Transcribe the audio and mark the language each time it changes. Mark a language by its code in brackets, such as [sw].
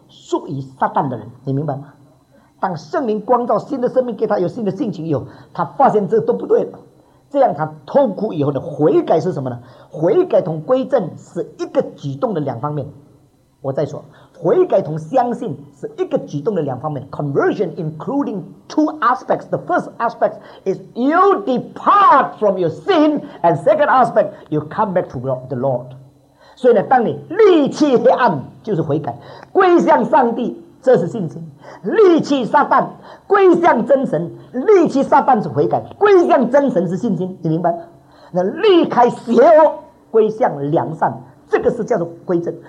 [zh] 属于撒旦的人，你明白吗？当圣灵光照新的生命给他，有新的性情以后，他发现这都不对了，这样他痛苦以后的悔改是什么呢？悔改同归正是一个举动的两方面。我再说，悔改同相信是一个举动的两方面。 [en] Conversion including two aspects. The first aspect is you depart from your sin, and second aspect you come back to the Lord. [zh] 所以呢，当你离弃黑暗，就是悔改；归向上帝，这是信心；离弃撒旦，归向真神；离弃撒旦是悔改，归向真神是信心。你明白吗？那离开邪恶，归向良善，这个是叫做归正。